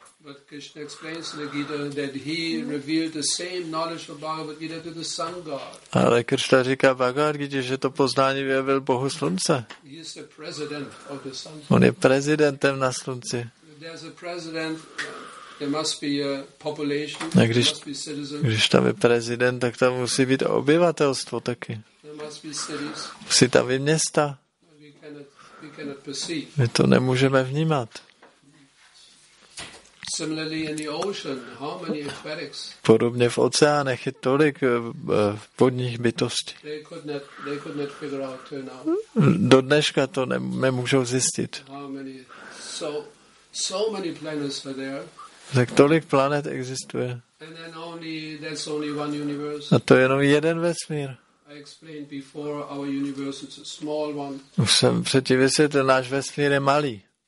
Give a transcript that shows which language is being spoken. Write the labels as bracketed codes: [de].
[en] But Krishna explains in the Gita that he revealed the same knowledge of Bhagavad Gita to the sun god. [cs] Ale Krishna říká Bhagavad Gita, že to poznání vyjevil Bohu slunce. [en] He is the president of the sun. [cs] On je prezidentem na slunci. [en] There's a president, there must be a population, there must be citizens. [cs] Když tam je prezident, tak tam musí být obyvatelstvo taky. [en] There must be cities. [cs] Musí tam být města. [en] We cannot perceive. [cs] My to nemůžeme vnímat. [en] Similarly in the ocean, how many aquatics? [cs] Podobně v oceánech je tolik vodních bytostí. [en] They could not figure out till now. [cs] Do dneška to nemůžou zjistit. [en] How many? So many planets are there. [cs] Tak tolik planet existuje. [en] And then that's only one universe. [cs] A to je jenom jeden vesmír. [en] I explained before our universe is a small one. [cs] Už jsem předtím vysvětlil, náš vesmír je malý.